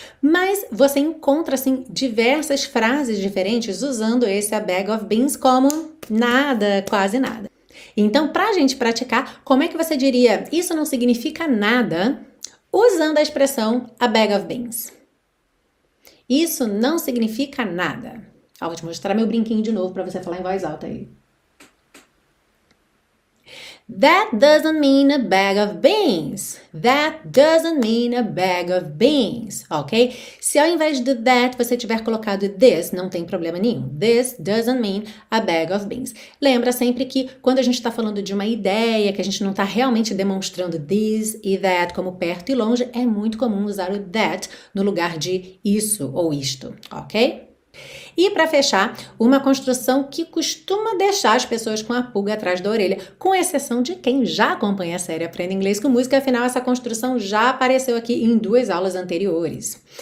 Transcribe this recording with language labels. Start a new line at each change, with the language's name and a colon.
Portuguese: Mas você encontra, assim, diversas frases diferentes usando esse a bag of beans como nada, quase nada. Então, para a gente praticar, como é que você diria isso não significa nada usando a expressão a bag of beans? Isso não significa nada. Ah, vou te mostrar meu brinquinho de novo para você falar em voz alta aí.
English: That doesn't mean a bag of beans. That doesn't mean a bag of beans. Ok?
Portuguese: Se ao invés do that você tiver colocado this, não tem problema nenhum.
English: This doesn't mean a bag of beans.
Portuguese: Lembra sempre que quando a gente está falando de uma ideia, que a gente não está realmente demonstrando this e that como perto e longe, é muito comum usar o that no lugar de isso ou isto. Ok? E para fechar, uma construção que costuma deixar as pessoas com a pulga atrás da orelha, com exceção de quem já acompanha a série Aprenda Inglês com Música, afinal essa construção já apareceu aqui em duas aulas anteriores.